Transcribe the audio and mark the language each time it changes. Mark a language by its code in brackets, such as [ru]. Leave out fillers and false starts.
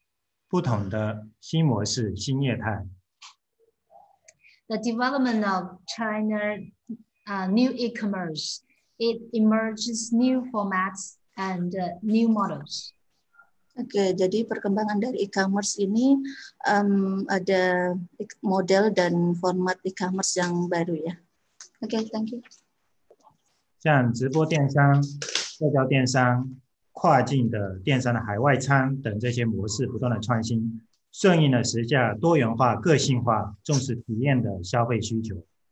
[zh] 中国电商的发展呈现了不同的新模式、新业态。 [en] The development of China new e-commerce, it emerges new formats and new models. [id] Oke, jadi perkembangan dari e-commerce ini ada model dan format e-commerce yang baru ya. [en] Oke, thank you. [zh] 像直播电商、社交电商、跨境的电商的海外仓等这些模式不断的创新，顺应了时下多元化、个性化、重视体验的消费需求。